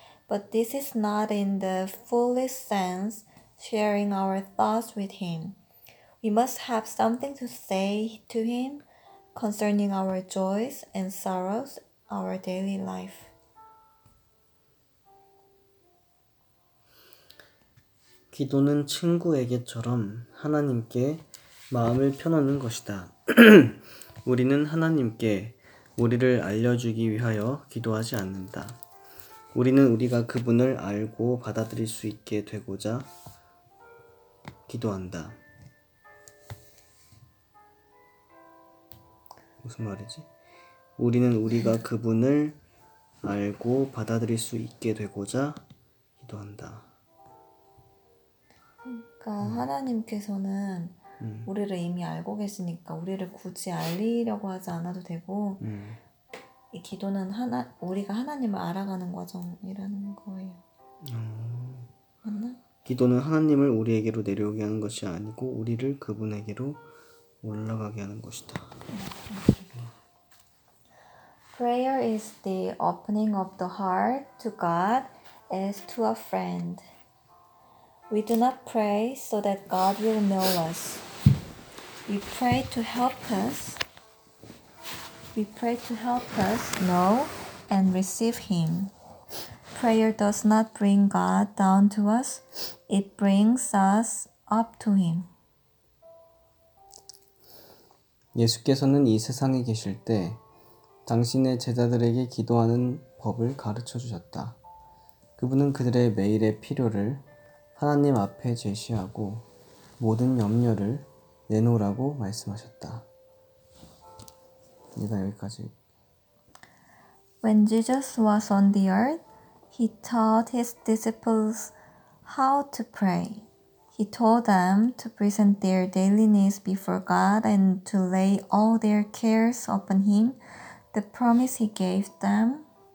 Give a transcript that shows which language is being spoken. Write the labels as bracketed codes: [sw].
[en] But this is not in the fullest sense sharing our thoughts with Him. We must have something to say to Him concerning our joys and sorrows, our daily life. [ko] 기도는 친구에게처럼 하나님께 마음을 펴놓는 것이다. 우리는 하나님께 우리를 알려주기 위하여 기도하지 않는다. 우리는 우리가 그분을 알고 받아들일 수 있게 되고자 기도한다. 무슨 말이지? 우리는 우리가 그분을 알고 받아들일 수 있게 되고자 기도한다. 그러니까 하나님께서는 우리를 이미 알고 계시니까 우리를 굳이 알리려고 하지 않아도 되고 이 기도는 우리가 하나님을 알아가는 과정이라는 거예요. 맞나? 기도는 하나님을 우리에게로 내려오게 하는 것이 아니고 우리를 그분에게로 올라가게 하는 것이다. [en] Prayer is the opening of the heart to God as to a friend. We do not pray so that God will know us. We pray to help us. We pray to help us know and receive Him. Prayer does not bring God down to us. It brings us up to Him. [ko] 예수께서는 이 세상에 계실 때 당신의 제자들에게 기도하는 법을 가르쳐 주셨다. 그분은 그들의 매일의 필요를 하나님 앞에 제시하고 모든 염려를 내놓으라고 말씀하셨다. 이제 여기까지. [en] When Jesus was on the earth, he taught his disciples how to pray. He told them to present their daily needs before God and to lay all their cares upon him, the promise he gave them.